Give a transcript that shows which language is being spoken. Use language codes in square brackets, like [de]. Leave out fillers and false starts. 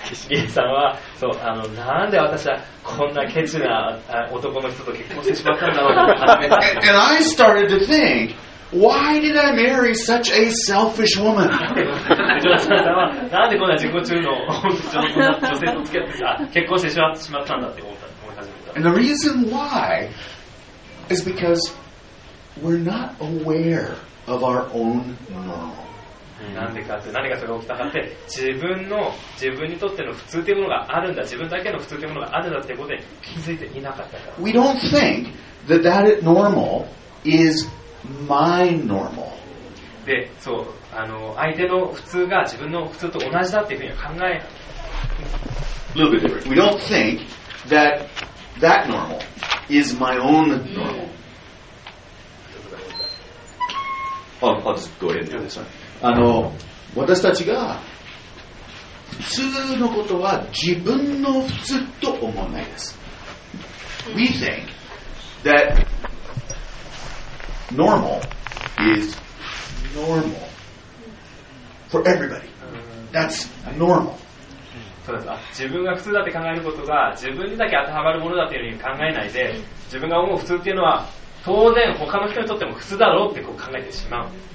[ja] リエさんはそうあのなんで私はこんなケチな男の人と結婚してしまったんだろう。 [en] And I started to think, why did I marry such a selfish woman? [ja] ジョナサンさんはなんでこんな自己中の女性と付き合ってさ結婚してしまったんだって思い始めた。 [en] And the reason why is because we're not aware of our own normal. [ja] なんでかって何がそれが起きたかって自分にとっての普通というものがあるんだ自分だけの普通というものがあるんだってことで気づいていなかったから。 [en] We don't think that that normal is my normal. [ja] で、そうあの相手の普通が自分の普通と同じだっていうふうに考え。 [en] Little bit different. We don't think that that normal is my own normal. Oh, I'll just go ahead and do this one. [ja] あの私たちが普通のことは自分の普通と思わないです。 [en] We think that normal is normal for everybody. That's normal. [ja] そうですか。自分が普通だって考えることが自分にだけ当てはまるものだというふうに考えないで、自分が思う普通っていうのは当然他の人にとっても普通だろうってこう考えてしまう。